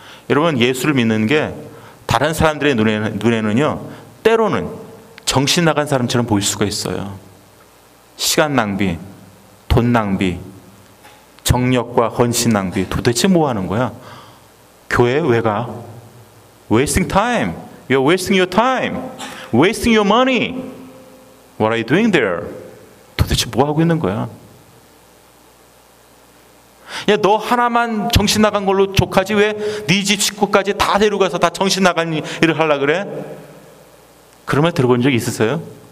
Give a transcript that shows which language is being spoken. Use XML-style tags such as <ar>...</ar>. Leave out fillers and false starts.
<ko>여러분 예수를 믿는 게 다른 사람들의 눈에는요 때로는 정신 나간 사람처럼 보일 수가 있어요. 시간 낭비, 돈 낭비, 정력과 헌신 낭비. 도대체 뭐 하는 거야? 교회 왜 가?</ko> <en>Wasting time. You're wasting your time, wasting your money. What are you doing there?</en> <ko>도대체 뭐 하고 있는 거야? 야, 너 하나만 정신 나간 걸로 족하지? 왜 네 집 식구까지 다 데려가서 다 정신 나간 일을 하려 그래? 그런 말 들어본 적 있으세요?</ko>